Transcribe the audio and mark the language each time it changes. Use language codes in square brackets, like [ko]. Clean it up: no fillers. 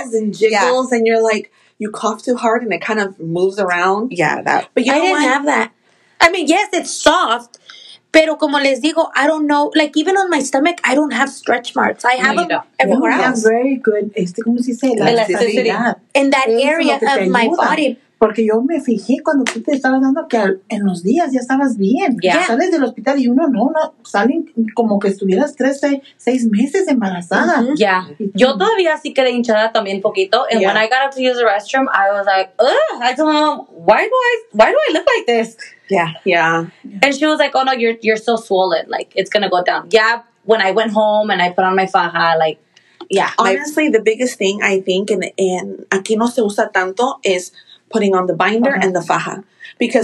[en] Wiggles and jiggles, and you're you cough too hard and it kind of moves around. Yeah, that. But you know what? I didn't have that. I mean, yes, it's soft. [es] Pero como les digo, [en] I don't know. Even on my stomach, I don't have stretch marks. I have them everywhere else. Very good. [es] ¿Cómo se dice? [en] Elasticity. In that area of my body. [es] Porque yo me fijé cuando tú te estabas dando que en los días ya estabas bien. [en] Yeah. [es] Sales del hospital y uno no salen como que estuvieras 3-6 meses embarazada. [en] Mm-hmm. Yeah. Mm-hmm. [es] Yo todavía sí quedé hinchada también poquito. [en] And yeah. When I got up to use the restroom, I was like, ugh. I told my mom, why do I look like this? Yeah. And she was like, oh no, you're so swollen. Like, it's going to go down. Yeah. When I went home and I put on my faja, like, yeah. Honestly, the biggest thing I think, and [es] aquí no se usa tanto, [en] is putting on the binder and the faja. Because